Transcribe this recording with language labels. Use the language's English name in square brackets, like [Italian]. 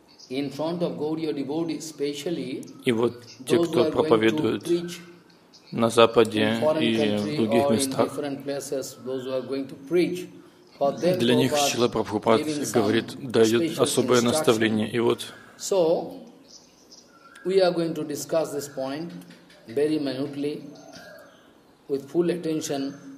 [English] in front of Gaudiya devotees, especially those who are going to preach in foreign countries and different places, those who are going to preach. [Russian] Для них Шрила Прабхупад говорит, дает особое наставление. И вот. [English] So we are going to discuss this point very minutely with full attention.